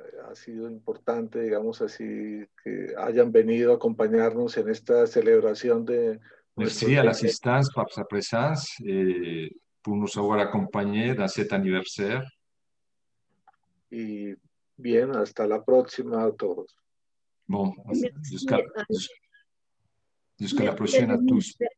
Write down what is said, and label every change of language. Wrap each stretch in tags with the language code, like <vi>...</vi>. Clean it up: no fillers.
<es>Ha sido importante, digamos así, que hayan venido a acompañarnos en esta celebración de...</es> <fr>Merci à l'assistance par sa présence pour nous avoir accompagné dans cet anniversaire.</fr> <es>Y bien, hasta la próxima a todos.</es> <fr>Bon, jusqu'à la prochaine à tous.</fr>